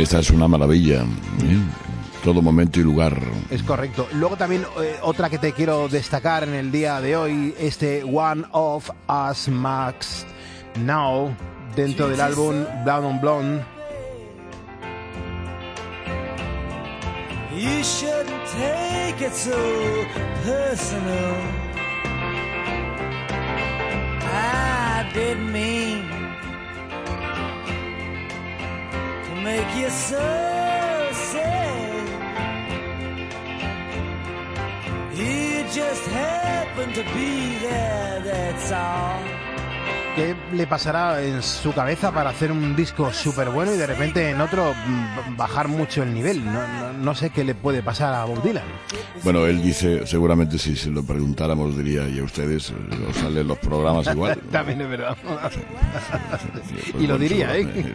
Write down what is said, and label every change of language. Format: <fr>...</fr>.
<es>Esta es una maravilla, ¿eh? Todo momento y lugar. Es correcto. Luego también otra que te quiero destacar en el día de hoy, este One of Us Max Now, dentro del álbum Blonde on Blonde.</es> <en>You shouldn't take it so personal. I didn't mean to make you so sad. He just happened to be there, that's all.</en> <es>¿Qué le pasará en su cabeza para hacer un disco súper bueno y de repente en otro bajar mucho el nivel? No sé qué le puede pasar a Bob Dylan. Bueno, él dice, seguramente si se lo preguntáramos diría, y a ustedes os salen los programas igual. También es verdad. Sí, y lo diría, ¿eh?</es>